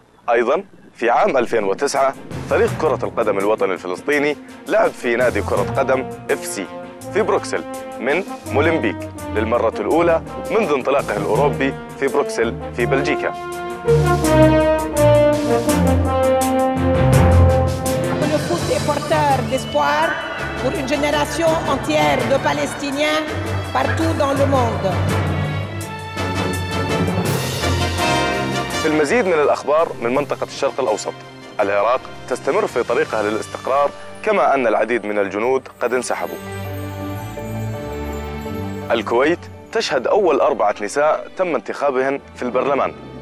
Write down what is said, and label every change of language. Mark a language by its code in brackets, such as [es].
[ar] أيضاً في عام 2009 فريق كرة القدم الوطني الفلسطيني لعب في نادي كرة قدم FC في بروكسل من مولمبيك للمرة الأولى منذ انطلاقه الأوروبي في بروكسل في بلجيكا. [fr] Le foot est porteur d'espoir pour une génération entière de Palestiniens partout dans le monde. [ar] في المزيد من الأخبار من منطقة الشرق الأوسط، العراق تستمر في طريقها للاستقرار، كما أن العديد من الجنود قد انسحبوا. الكويت تشهد أول 4 نساء تم انتخابهن في البرلمان.